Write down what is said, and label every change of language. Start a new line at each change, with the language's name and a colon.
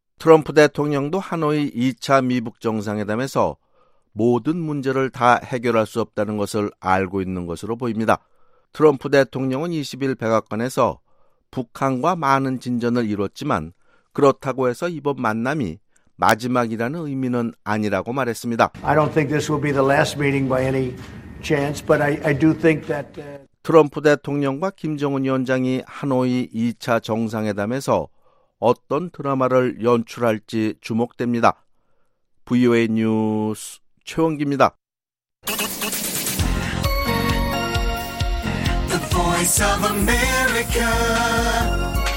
Korean: 트럼프 대통령도 하노이 2차 미북 정상회담에서 모든 문제를 다 해결할 수 없다는 것을 알고 있는 것으로 보입니다. 트럼프 대통령은 20일 백악관에서 북한과 많은 진전을 이뤘지만 그렇다고 해서 이번 만남이 마지막이라는 의미는 아니라고 말했습니다.
English: I don't think this will be the last meeting by any chance, but I do think that
Korean: 트럼프 대통령과 김정은 위원장이 하노이 2차 정상회담에서 어떤 드라마를 연출할지 주목됩니다. VOA 뉴스 최원기입니다.
English: The Voice of America.